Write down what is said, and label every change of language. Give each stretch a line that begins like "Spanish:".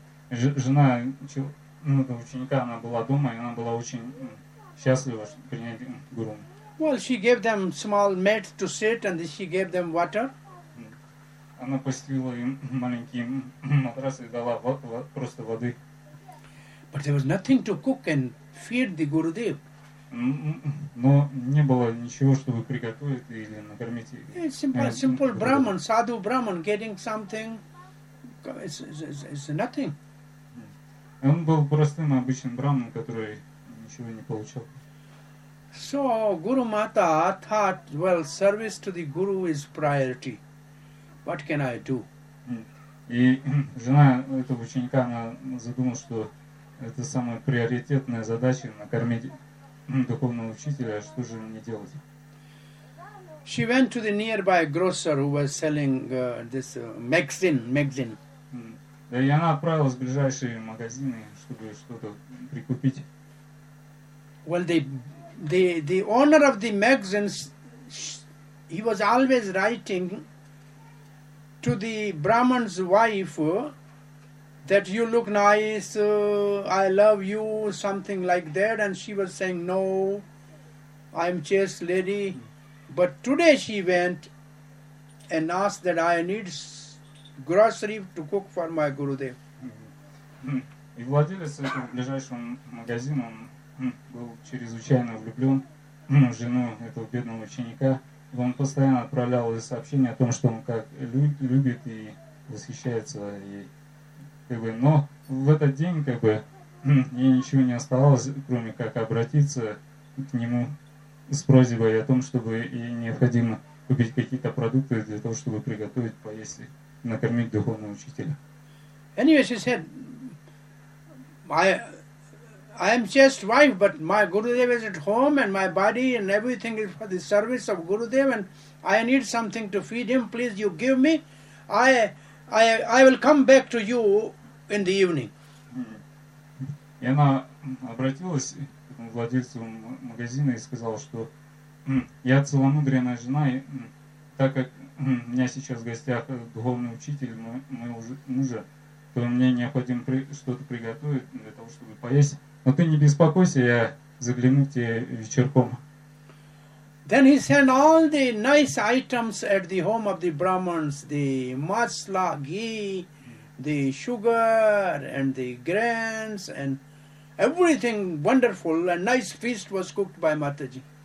Russian: Жена ученика, она была дома, и она была очень счастлива принять Гуру.
English: Well, she gave them small mat to sit, and she gave them water.
Russian: Она постелила им маленький матрас и дала просто воды.
English: But there was nothing to cook and feed the Gurudev.
Russian: Но не было ничего, чтобы приготовить или накормить.
English: Simple Brahman, sadhu Brahman, getting something. It's nothing.
Russian: Он был простым обычным Брахманом, который ничего не получал.
English: So Guru Mata thought, well, service to the Guru is priority. What can I do?
Russian: И жена этого ученика, она задумала, что это самая приоритетная задача – накормить духовного учителя. Что же мне делать?
English: She went to the nearby grocer who was selling this magazine.
Russian: Да, и она отправилась в ближайшие магазины, чтобы что-то прикупить.
English: Well, the owner of the magazines, he was always writing to the Brahman's wife, that you look nice, I love you, something like that. And she was saying, no, I'm chaste lady. But today she went and asked that I need grocery to cook for my Gurudev.
Russian: И владелец этого ближайшего магазина, он был чрезвычайно влюблен в жену этого бедного ученика. Он постоянно отправлял ей сообщения о том, что он как любит и восхищается ей. Как бы, но в этот день как бы ей ничего не оставалось, кроме как обратиться к нему с просьбой о том, чтобы ей необходимо купить какие-то продукты для того, чтобы приготовить, поесть, накормить духовного учителя.
English: Anyway, she said, I am just wife, but my Gurudev is at home and my body and everything is for the service of Gurudev and I need something to feed him. Please you give me. I will come back to you in the evening.
Russian: И она обратилась к владельцу магазина и сказала, что я целомудренная жена, и так как у меня сейчас в гостях духовный учитель моего мужа, то мне необходимо что-то приготовить для того, чтобы поесть. Но ты не беспокойся, я загляну к тебе вечерком.
English: Then he sent all the nice items at the home of the Brahmins, the masala, ghee, the sugar, and the grains, and everything wonderful. A nice feast was cooked by Mataji.